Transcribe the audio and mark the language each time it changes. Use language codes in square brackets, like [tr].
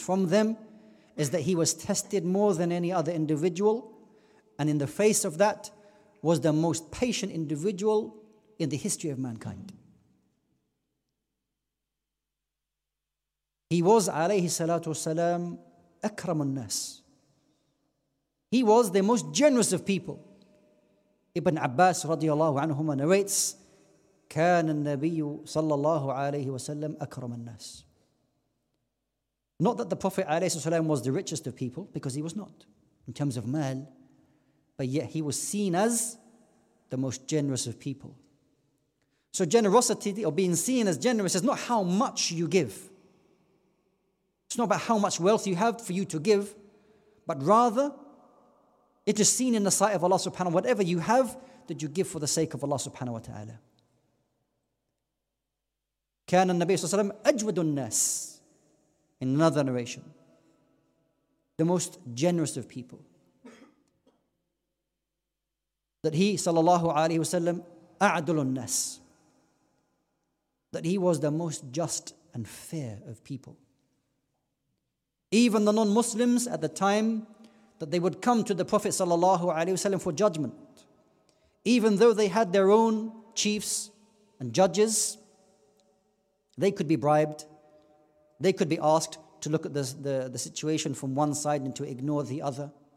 [en] From them is that he was tested more than any other individual, and in the face of that was the most patient individual in the history of mankind. He was alayhi salatu wasalam akramun nas. He was the most generous of people. [ar] Ibn Abbas radiallahu anhuma [en] narrates, [ar] كان النبي صلى الله عليه وسلم أكرم الناس. [en] Not that the Prophet عليه السلام was the richest of people, because he was not in terms of mal, but yet he was seen as the most generous of people. So generosity, or being seen as generous, is not how much you give. It's not about how much wealth you have for you to give, but rather it is seen in the sight of Allah subhanahu wa ta'ala, whatever you have that you give for the sake of Allah subhanahu wa ta'ala. [ar] كان النبي صلى الله عليه وسلم أجود الناس. [en] In another narration, the most generous of people. That he [ar] صلى الله عليه وسلم أعدل الناس. [en] That he was the most just and fair of people. Even the non-Muslims at the time that they would come to the Prophet صلى الله عليه وسلم for judgment, even though they had their own chiefs and judges, they could be bribed, they could be asked to look at the situation from one side and to ignore the other.